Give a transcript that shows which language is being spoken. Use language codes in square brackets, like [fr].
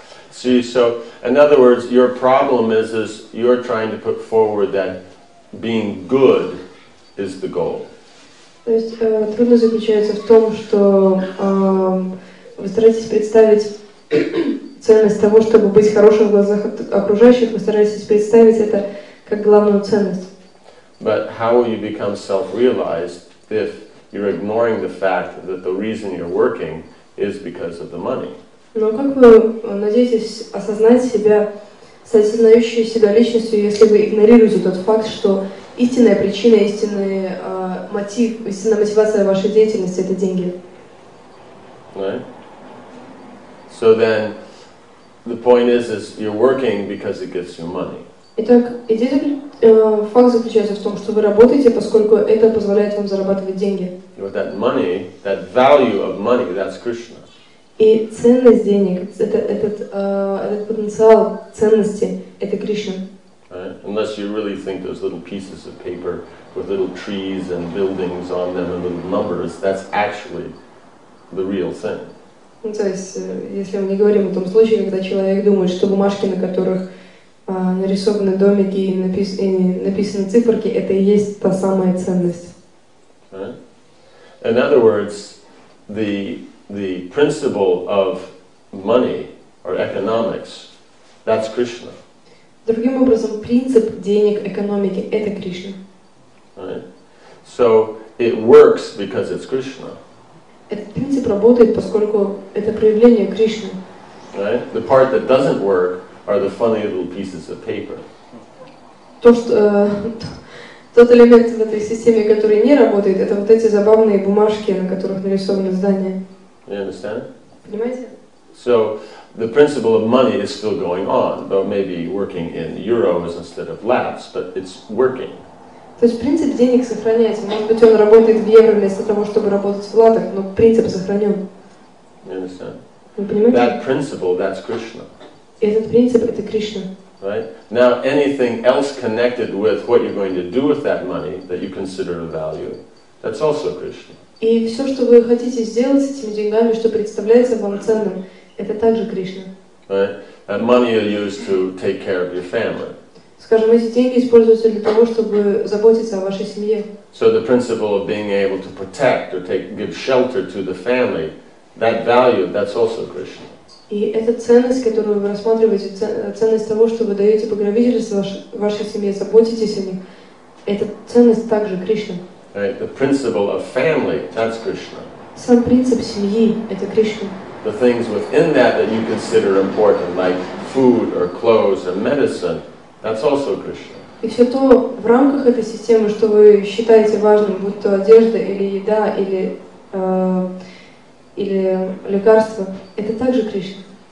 [en] See, so in other words, your problem is you're trying to put forward that being good is the goal. [ru] То есть трудность заключается в том, что вы стараетесь представить ценность того, чтобы быть хорошим в глазах окружающих, вы стараетесь представить это как главную ценность. [en] But how will you become self-realized if you're ignoring the fact that the reason you're working is because of the money? [ru] Но как вы надеетесь осознать себя, осознающей себя личностью, если вы игнорируете тот факт, что истинная причина, истинный мотив, истинная мотивация вашей деятельности — это деньги? [en] Right. So then, the point is you're working because it gives you money. [ru] Итак, идея, факт заключается в том, что вы работаете, поскольку это позволяет вам зарабатывать деньги. [en] With that money, that value of money, that's Krishna. [ru] И ценность денег, этот потенциал ценности, это Кришна. [en] Right? Unless you really think those little pieces of paper with little trees and buildings on them and little numbers, that's actually the real thing. [ru] Ну, то есть, если мы не говорим о том случае, когда человек думает, что бумажки, на которых нарисованы домики и написаны циферки, это и есть та самая ценность. [en] Right? In other words, the principle of money or economics, that's Krishna. [ru] Другим образом, принцип денег, экономики — это Кришна. [en] Right. So it works because it's Krishna. [ru] Этот принцип работает, поскольку это проявление Кришны. [en] Right. The part that doesn't work are the funny little pieces of paper. [ru] То, что тот элемент в этой системе, который не работает, это вот эти забавные бумажки, на которых нарисованы здания. [en] You understand? [ru] Понимаете? [en] So the principle of money is still going on, though maybe working in euros instead of lats, but it's working. [ru] То есть принцип денег сохраняется. Может быть, он работает в евро вместо того, чтобы работать в латах, но принцип сохранен. [en] You understand? [ru] Вы понимаете? [en] That principle, that's Krishna. [ru] Этот принцип — это Кришна. [en] Right? Now, anything else connected with what you're going to do with that money that you consider a value, that's also Krishna. [ru] И все, что вы хотите сделать с этими деньгами, что представляется вам ценным, это также Кришна. [en] Right? And money you use to take care of your family. [ru] Скажем, эти деньги используются для того, чтобы заботиться о вашей семье. [en] So the principle of being able to protect or take, give shelter to the family, that value, that's also Krishna. [ru] И эта ценность, которую вы рассматриваете, ценность того, что вы даете покровительство вашей семье, заботитесь о них, эта ценность также Кришна. [en] Right? The principle of family, that's Krishna. [ru] Сам принцип семьи — это Кришна. [en] The things within that that you consider important, like food or clothes or medicine, that's also Krishna. [ru] И все то в рамках этой системы, что вы считаете важным, будь то одежда или еда или или лекарства, это также Кришна.